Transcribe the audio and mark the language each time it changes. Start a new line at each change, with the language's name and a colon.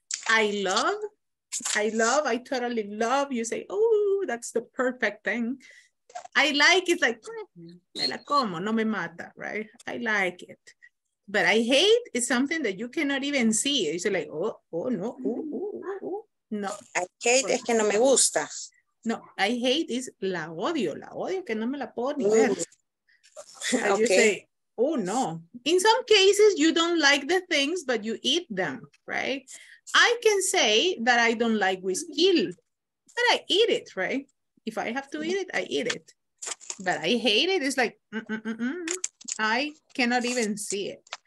English: I love, I totally love. You say, oh, that's the perfect thing. I like it, like,
Spanish: me la como, no me mata,
English: right? I like it. But I hate is something that you cannot even see. It's like, oh no, no. I hate
Spanish: es que no me gusta. No,
English: I hate is
Spanish: la odio, que no me la puedo ni ver.
English: Okay. You say, oh no. In some cases, you don't like the things, but you eat them, right? I can say that I don't like whiskey, but I eat it, right? If I have to eat it, I eat it. But I hate it. It's like, I cannot even see it.